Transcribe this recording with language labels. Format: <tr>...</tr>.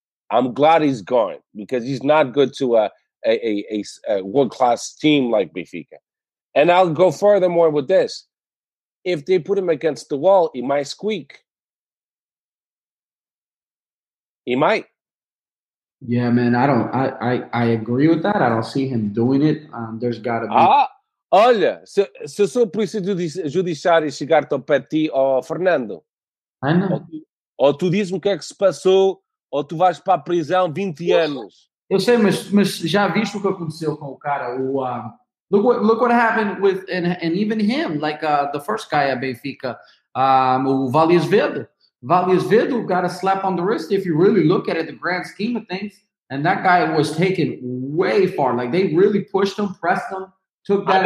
<en>I'm glad he's gone, because he's not good to a world-class team like Benfica. And I'll go furthermore with this. If they put him against the wall, he might squeak. He might. Yeah, man, I agree with that. I don't see him doing it. There's got to be...</en> <pt>Olha, se eu sou polícia judiciária e chegar ao pé de ti, ou Fernando,</pt> <en>I know.</en> <pt>Ou tu diz-me o que é que se passou... Ou tu vais para a prisão 20 anos. Eu sei, mas já viste o que aconteceu com o cara?</pt> <en>Look what happened with, and even him, like the first guy at Benfica, o Vale Azevedo. Vale Azevedo got a slap on the wrist, if you really look at it, the grand scheme of things. And that guy was taken way far. Like, they really pushed him, pressed him, took that.</en>